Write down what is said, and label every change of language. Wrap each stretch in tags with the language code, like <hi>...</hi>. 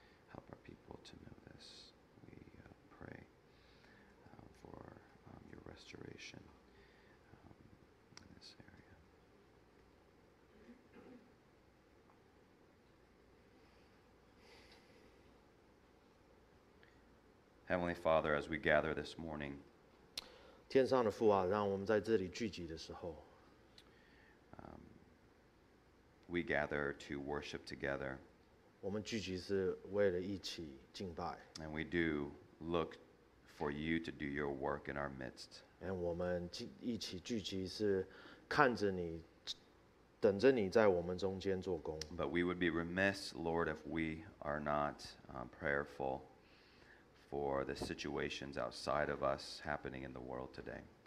<en>Help our people to know this. We pray for your restoration in this area. Heavenly Father, as we gather this morning,</en> <zh>天上的父啊, 让我们在这里聚集的时候,</zh> <en>we gather to worship together.</en> <zh>我们聚集是为了一起敬拜,</zh> <en>and we do look for you to do your work in our midst.</en> <zh>我们一起聚集是看着你, 等着你在我们中间做工。</zh> <en>But we would be remiss, Lord, if we are not prayerful for the situations outside of us happening in the world today.</en>